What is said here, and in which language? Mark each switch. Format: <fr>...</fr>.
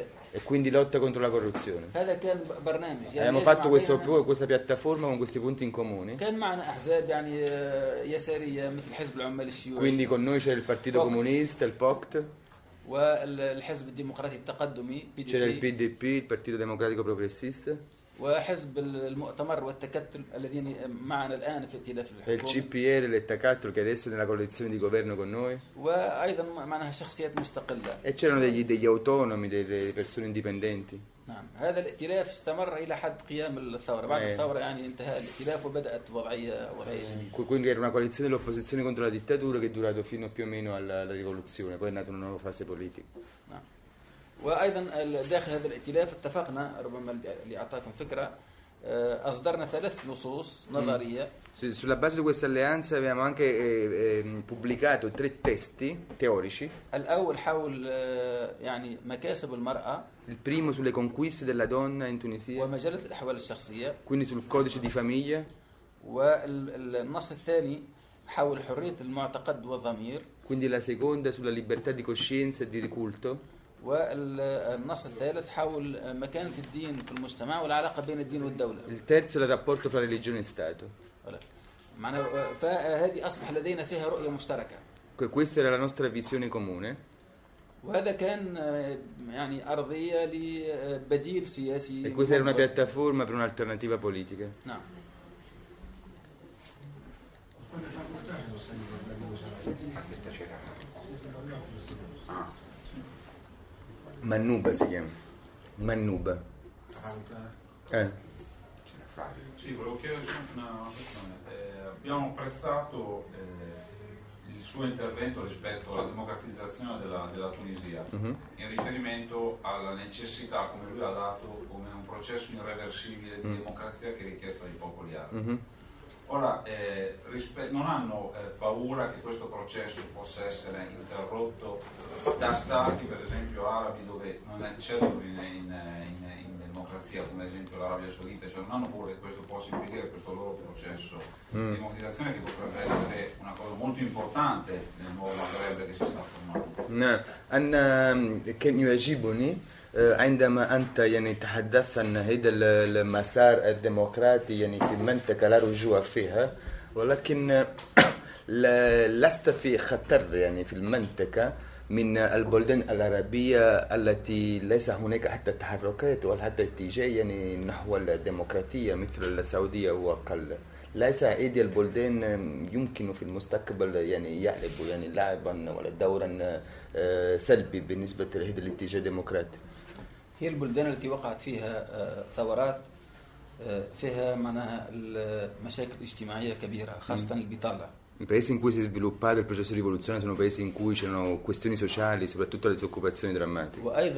<it>E quindi lotta contro la corruzione. Abbiamo fatto questa piattaforma con questi punti in comune. Quindi con noi c'era il Partito Comunista, il POCT. C'era il PDP, il Partito Democratico Progressista.</it> <ar>وحزب المؤتمر والتكتل الذين معنا الآن في ائتلاف الحكومة.</ar> <it>CPR للتكتل che adesso nella coalizione di governo con noi.</it> <ar>وأيضا معناها شخصيات مستقلة.</ar> <it>E c'erano degli autonomi, delle persone indipendenti.</it> <ar>نعم هذا الائتلاف استمر إلى حد قيام الثورة بعد الثورة يعني انتهى الائتلاف وبدأت وضعية وضعية.</ar> <it>Quindi era una coalizione dell'opposizione contro la dittatura che è durato fino più o meno alla rivoluzione, poi è nata una nuova fase politica.</it> <ar>وايضا داخل هذا الائتلاف اتفقنا ربما اللي اعطاكم فكره اصدرنا ثلاث نصوص نظريه</ar> <it>sulla base di questa alleanza abbiamo anche pubblicato tre testi teorici.</it> <ar>الاول حول يعني مكاسب المراه.</ar> <it>Il primo sulle conquiste della donna in Tunisia.</it> <ar>ومجله الاحوال الشخصيه.</ar> <it>Quindi sul codice di famiglia.</it> <ar>والنص الثاني حول حريه المعتقد والضمير.</ar> <it>Quindi la seconda sulla libertà di coscienza e di culto.</it> <ar>والنص الثالث حول مكانة الدين في المجتمع والعلاقة بين الدين والدولة.</ar> <it>الثالث للرابورتو فرا ريليجيون ستاتو.</it> <ar>معنى فهذه أصبح لدينا فيها رؤية مشتركة.</ar> <it>Questa era la nostra visione comune.</it> <ar>وهذا كان يعني أرضية لبديل سياسي.</ar> <it>E questa era una piattaforma per un'alternativa politica. Mannuba si chiama. Mannuba. Sì, volevo chiedere una questione. Abbiamo apprezzato il suo intervento rispetto alla democratizzazione della Tunisia, in riferimento alla necessità, come lui ha dato, come un processo irreversibile di democrazia che è richiesta dai popoli arabi. Ora, non hanno paura che questo processo possa essere interrotto da stati, per esempio arabi, dove non è certo in democrazia, come ad esempio l'Arabia Saudita, cioè non hanno paura che questo possa impedire questo loro processo di democratizzazione, che potrebbe essere una cosa molto importante nel nuovo Maghreb che si sta formando? Can you agibuni?</it> <ar>عندما أنت يعني تحدثت عن هذا المسار الديمقراطي يعني في المنطقة لا رجوع فيها ولكن لست في خطر يعني في المنطقة من البلدان العربية التي ليس هناك حتى تحركات ولا حتى اتجاه يعني نحو الديمقراطية مثل السعودية وأقل ليس هذه البلدان يمكن في المستقبل يعني يلعبوا يعني لعبا ولا دورا سلبي بالنسبة لهذا الاتجاه الديمقراطي هي البلدان التي وقعت فيها ثورات فيها معناها المشاكل الاجتماعية كبيرة خاصة البطالة</ar> <it>paesi in cui si è sviluppato il processo rivoluzionario sono paesi in cui c'erano questioni sociali, soprattutto le disoccupazioni drammatiche.</it>